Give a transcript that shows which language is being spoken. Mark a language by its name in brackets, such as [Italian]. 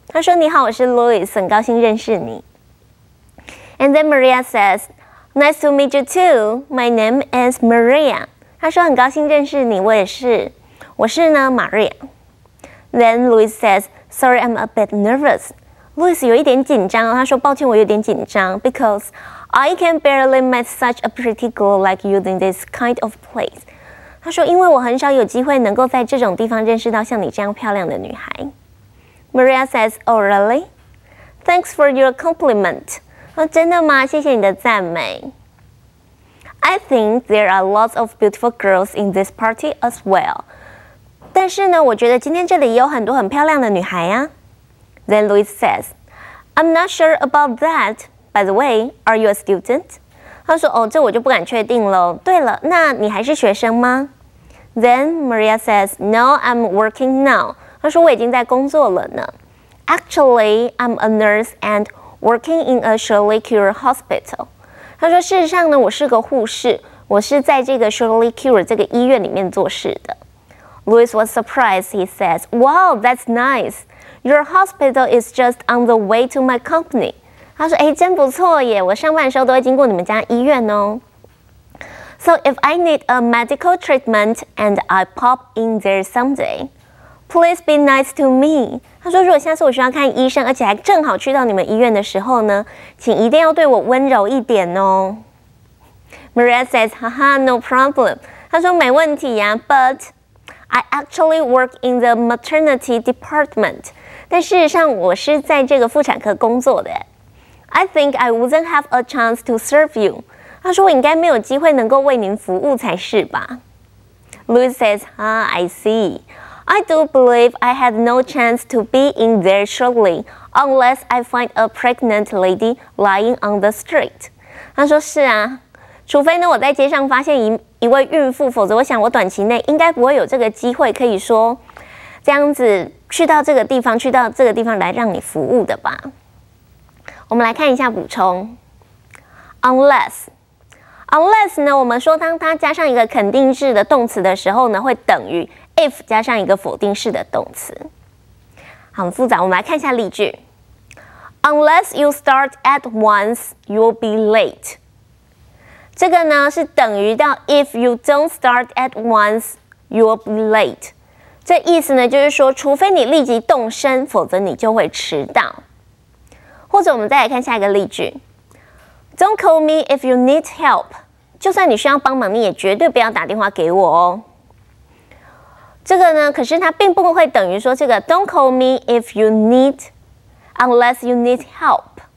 [Chinese] 他说：“你好，我是 Louis， 很高兴认识你。” [English] And then Maria says, "Nice to meet you too. My name is Maria." [Chinese] 他说：“很高兴认识你，我也是。我是呢 Maria. [English] Then Louis says, "Sorry, I'm a bit nervous." Louis [Chinese] 有一点紧张，他说抱歉，我有点紧张 [English] because I can barely meet such a pretty girl like you in this kind of place. [Chinese] 他说因为我很少有机会能够在这种地方认识到像你这样漂亮的女孩。 [English] Maria says, "Oh, really? Thanks for your compliment." [Chinese] 哦，真的吗？谢谢你的赞美。 [English] I think there are lots of beautiful girls in this party as well. [Chinese] 但是呢，我觉得今天这里也有很多很漂亮的女孩呀。 [English] Then Louis says, "I'm not sure about that. By the way, are you a student?" [Chinese] 他说，哦，这我就不敢确定了。对了，那你还是学生吗？ [English] Then Maria says, "No, I'm working now." [Chinese] 他说，我已经在工作了呢。 [English] Actually, I'm a nurse and working in a Shirley Cure hospital. [Chinese] 他说，事实上呢，我是个护士，我是在这个 Shirley Cure 这个医院里面做事的。 [English] Louis was surprised. He says, "Wow, that's nice. Your hospital is just on the way to my company." [Chinese] 他说，哎，真不错耶，我上班的时候都会经过你们家医院哦。 [English] So if I need a medical treatment and I pop in there someday,Please be nice to me. [Chinese] 他说，如果下次我需要看医生，而且还正好去到你们医院的时候呢，请一定要对我温柔一点哦。 [English] Maria says, haha, no problem. [Chinese] 他说，没问题呀。 [English] But I actually work in the maternity department. [Chinese] 但事实上，我是在这个妇产科工作的。 [English] I think I wouldn't have a chance to serve you. [Chinese] 他说，我应该没有机会能够为您服务才是吧。 [English] Louis says, ah, I see. I do believe I had no chance to be in there shortly unless I find a pregnant lady lying on the street. [Chinese] 他说是啊，除非呢我在街上发现一位孕妇，否则我想我短期内应该不会有这个机会可以说这样子去到这个地方，去到这个地方来让你服务的吧。我们来看一下补充。 Unless 呢，我们说当它加上一个肯定式的动词的时候呢，会等于if 加上一个否定式的动词，很复杂。我们来看一下例句。 [English] Unless you start at once, you'll be late. [Chinese] 这个呢是等于到 [English] if you don't start at once, you'll be late. [Chinese] 这意思呢就是说，除非你立即动身，否则你就会迟到。或者我们再来看下一个例句。 [English] Don't call me if you need help. [Chinese] 就算你需要帮忙，你也绝对不要打电话给我哦。这个呢，可是它并不会等于说这个 [English] "Don't call me if you need, unless you need help."